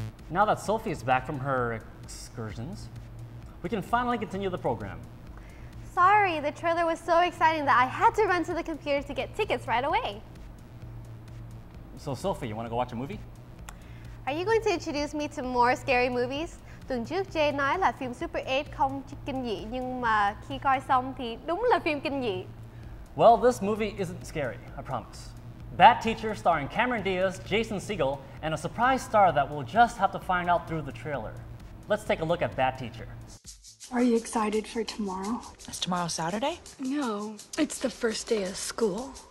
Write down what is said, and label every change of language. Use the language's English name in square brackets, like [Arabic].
[English] Now that Sophie is back from her excursions, we can finally continue the program. Sorry, the trailer was so exciting that I had to run to the computer to get tickets right away. So Sophie, you want to go watch a movie? Are you going to introduce me to more scary movies? [Vietnamese] Tuần trước Jay nói là phim Super 8 không kinh dị, nhưng mà khi coi xong thì đúng là phim kinh dị. [English] Well, this movie isn't scary, I promise. Bad Teacher starring Cameron Diaz, Jason Segel, and a surprise star that we'll just have to find out through the trailer. Let's take a look at Bad Teacher. Are you excited for tomorrow? Is tomorrow Saturday? No, it's the first day of school.